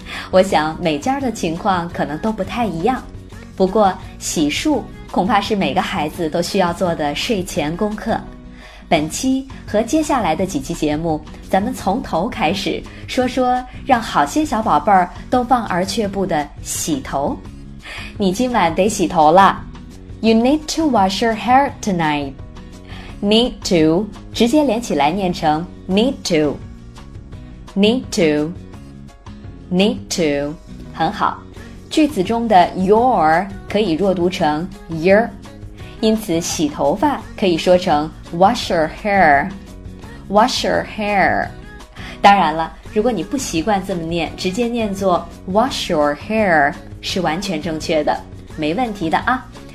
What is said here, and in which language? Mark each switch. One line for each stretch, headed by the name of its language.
Chinese: 我想每家的情况可能都不太一样，不过洗漱恐怕是每个孩子都需要做的睡前功课。本期和接下来的几期节目，咱们从头开始说说让好些小宝贝儿都望而却步的洗头。你今晚得洗头了。
English: You need to wash your hair tonight. Need to
Chinese: 直接连起来念成
English: need to need to need to
Chinese: 很好，句子中的
English: your
Chinese: 可以弱读成
English: your，
Chinese: 因此洗头发可以说成
English: wash your hair wash your hair。
Chinese: 当然了，如果你不习惯这么念，直接念作
English: wash your hair
Chinese: 是完全正确的，没问题的啊。